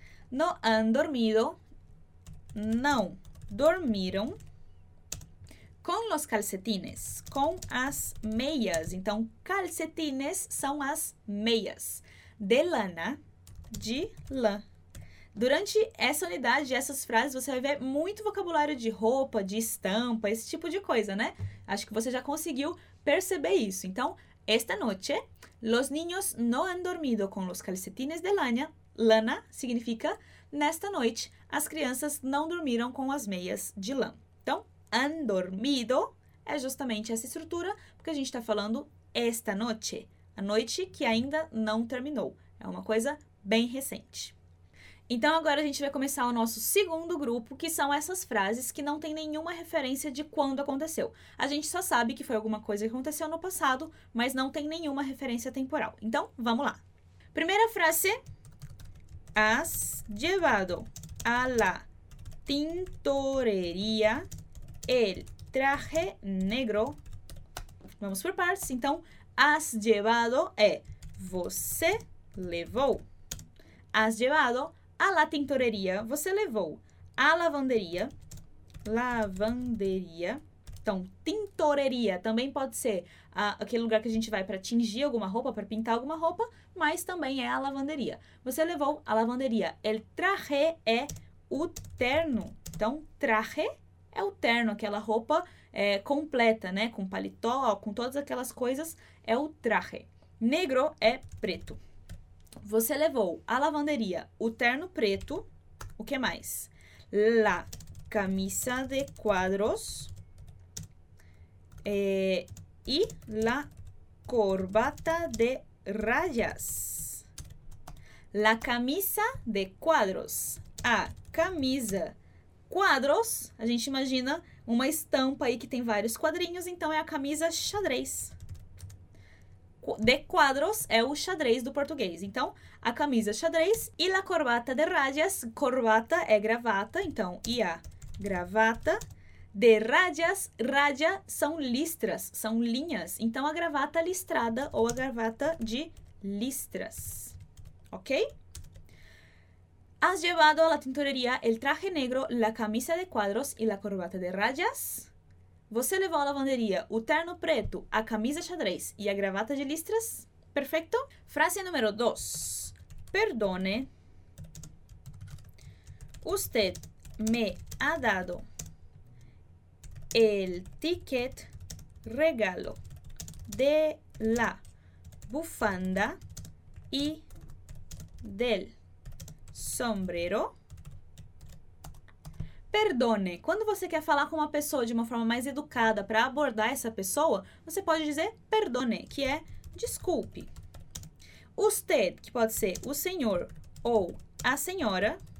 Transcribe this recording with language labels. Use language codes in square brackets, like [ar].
[es] No han dormido, [pt] não dormiram, [es] con los calcetines, [pt] com as meias. Então, calcetines são as meias. [es] De lana, [pt] de lã. Durante essa unidade, essas frases, você vai ver muito vocabulário de roupa, de estampa, esse tipo de coisa, né? Acho que você já conseguiu perceber isso. Então, [es] esta noche, los niños no han dormido con los calcetines de lana. Lana [pt] significa Nesta noite, as crianças não dormiram com as meias de lã. Então, han dormido é justamente essa estrutura, porque a gente está falando esta noite, a noite que ainda não terminou. É uma coisa bem recente. Então, agora a gente vai começar o nosso segundo grupo, que são essas frases que não tem nenhuma referência de quando aconteceu. A gente só sabe que foi alguma coisa que aconteceu no passado, mas não tem nenhuma referência temporal. Então, vamos lá. Primeira frase. [es] Has llevado a la tintorería el traje negro. [pt] Vamos por partes. Então, [es] has llevado [pt] é você levou. [es] Has llevado a la tintorería, [pt] você levou a lavanderia, lavanderia. Então, tintorería também pode ser aquele lugar que a gente vai para tingir alguma roupa, para pintar alguma roupa, mas também é a lavanderia. Você levou a lavanderia. El traje é o terno. Então, traje é o terno, aquela roupa completa, né? Com paletó, com todas aquelas coisas, é o traje. Negro é preto. Você levou à lavanderia o terno preto, o que mais? [es] La camisa de cuadros e la corbata de rayas. La camisa de cuadros, [pt] a camisa cuadros, a gente imagina uma estampa aí que tem vários quadrinhos, então é a camisa xadrez. De quadros é o xadrez do português. Então, a camisa xadrez e [es] la corbata de rayas. [pt] Corbata é gravata, então, e a gravata [es] de rayas. [pt] Raya são listras, são linhas. Então, a gravata listrada ou a gravata de listras. Ok? [es] Has llevado a la tintorería el traje negro, la camisa de cuadros y la corbata de rayas? [pt] Você levou à lavanderia o terno preto, a camisa xadrez e a gravata de listras? Perfeito? Frase número 2. Perdone. [es] Usted me ha dado el ticket regalo de la bufanda y del sombrero. Perdone. [pt] Quando você quer falar com uma pessoa de uma forma mais educada para abordar essa pessoa, você pode dizer perdone, que é desculpe. [es] Usted, [pt] que pode ser o senhor ou a senhora.